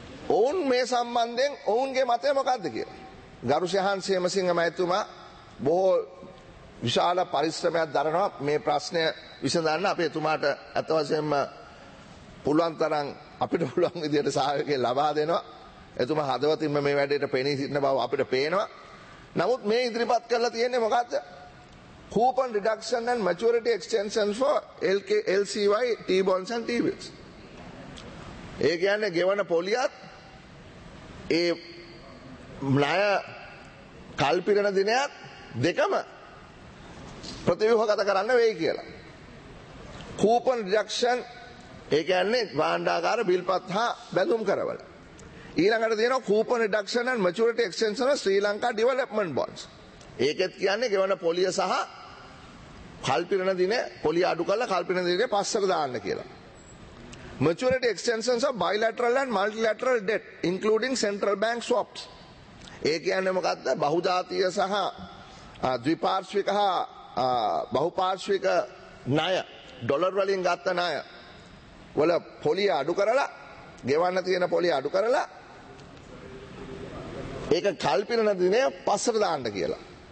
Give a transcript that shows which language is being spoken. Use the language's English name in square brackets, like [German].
[Sinhala] ඔවුන් මේ සම්බන්ධයෙන් ඔවුන්ගේ මතය මොකද්ද කියලා. ගරු සේහන් සේමසිංහ මහත්තුමා බොහෝ විශාල පරිශ්‍රමයක් දරනවා මේ ප්‍රශ්නය විසඳන්න. අපේ එතුමාට අත වශයෙන්ම පුළුවන් තරම් අපිට පුළුවන් විදියට සහයෝගය ලබා දෙනවා. එතුමා හදවතින්ම මේ වැඩේට පෙනී සිටින බව අපිට පේනවා. නමුත් මේ ඉදිරිපත් කරලා තියෙන්නේ මොකද්ද? [English] Coupon reduction and maturity extension for LCY T bonds and T bills. [Sinhala] ඒ කියන්නේ ගෙවන පොලියත් ඒ ණය කල්පිරණ දිනයක් දෙකම ප්‍රතිව්‍යුහගත කරන්න වෙයි කියලා. [English] coupon reduction [Sinhala] ඒ කියන්නේ භාණ්ඩාගාර බිල්පත් හා බැඳුම් කරවල. [English] ඊළඟට තියෙනවා coupon reduction and maturity extension of Sri Lanka development bonds. [Sinhala] ඒකෙත් කියන්නේ ගෙවන පොලිය සහ කල්පිරණ දින පොලිය අඩු කරලා කල්පිරණ දිනේ පස්සක දාන්න කියලා. [English] maturity extensions of bilateral and multilateral debt including central bank swaps. [Sinhala] ඒ කියන්නේ මොකද්ද? බහුජාතීය සහ ද්විපාර්ශ්වික හා බහුපාර්ශ්වික ණය ඩොලර් වලින් ගත්ත ණය වල පොලිය අඩු කරලා ගෙවන්න තියෙන පොලිය අඩු කරලා ඒක කල්පිරණ දිනේ පස්සට දාන්න කියලා.